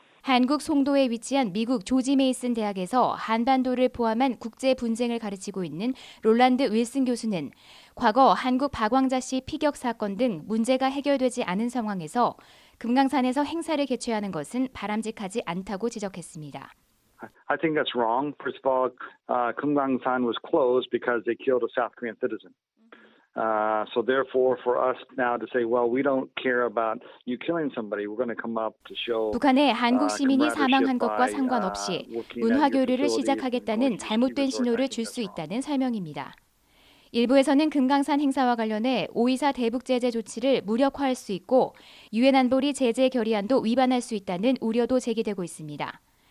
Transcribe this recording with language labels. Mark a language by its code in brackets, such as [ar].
[ko] 한국 송도에 위치한 미국 조지 메이슨 대학에서 한반도를 포함한 국제 분쟁을 가르치고 있는 롤란드 윌슨 교수는 과거 한국 박왕자 씨 피격 사건 등 문제가 해결되지 않은 상황에서 금강산에서 행사를 개최하는 것은 바람직하지 않다고 지적했습니다. [en] I think that's wrong. First of all, Kumgangsan was closed because they killed a South Korean citizen. So therefore, for us now to say, well, we don't care about you killing somebody. We're going to come up to show. [ko] 북한의 한국 시민이 사망한 것과 상관없이 문화 교류를 시작하겠다는 잘못된 신호를 줄 수 있다는 설명입니다. 일부에서는 금강산 행사와 관련해 5.24 대북 제재 조치를 무력화할 수 있고 유엔 안보리 제재 결의안도 위반할 수 있다는 우려도 제기되고 있습니다.